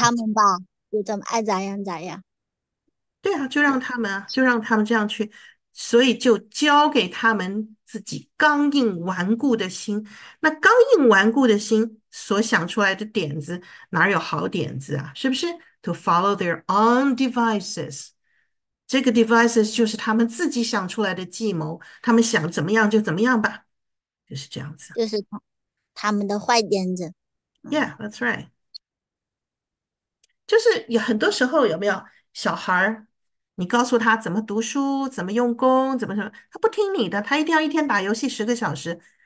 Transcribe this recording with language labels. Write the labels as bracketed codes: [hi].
[zh] 他们己。吧，就怎么爱咋样咋样。对啊，就让他们这样去，所以就交给他们自己刚硬顽固的心。那刚硬顽固的心所想出来的点子，哪有好点子啊？是不是？ [en] To follow their own devices。 [zh] 这个 devices 就是他们自己想出来的计谋，他们想怎么样就怎么样吧，就是这样子。就是他们的坏点子，嗯。 [en] Yeah, that's right。 [zh] 就是有很多时候有没有小孩儿，你告诉他怎么读书、怎么用功、怎么什么，他不听你的，他一定要一天打游戏10个小时。